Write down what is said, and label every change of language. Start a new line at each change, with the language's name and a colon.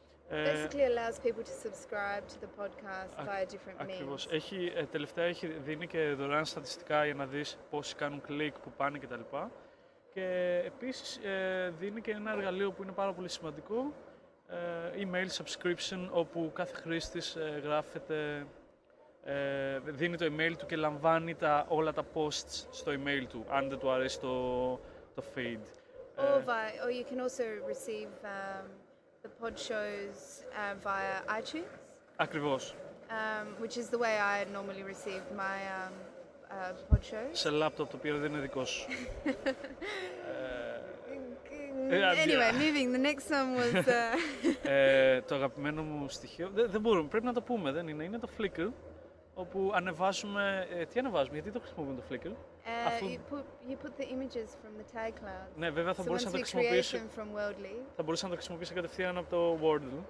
English: Basically allows people to subscribe to the podcast via different means.
Greek: Ακριβώς. Έχει, τελευταία έχει δίνει και δωρεάν στατιστικά για να δεις πόσοι κάνουν κλικ, που πάνε κτλ. Και επίσης δίνει και ένα εργαλείο που είναι πάρα πολύ σημαντικό, email subscription, όπου κάθε χρήστης γράφεται, δίνει το email του και λαμβάνει όλα τα posts στο email του, αν δεν του αρέσει το feed.
English: Or you can also receive the pod shows via iTunes.
Greek: Ακριβώς.
English: Which is the way I normally receive my pod shows.
Greek: Σε laptop, το οποίο δεν είναι δικό σου.
English: Anyway, moving. The next one was.
Greek: Το αγαπημένο μου στοιχείο. Δεν μπορούμε. Πρέπει να το πούμε. Δεν είναι. Είναι το Flickr, όπου ανεβάζουμε. Τι ανεβάζουμε? Γιατί το χρησιμοποιούμε το Flickr?
English: You put the images from the tag cloud.
Greek: Ναι, βέβαια θα μπορούσα να το χρησιμοποιήσω. Θα μπορούσα να το χρησιμοποιήσω κατευθείαν από το Wordle.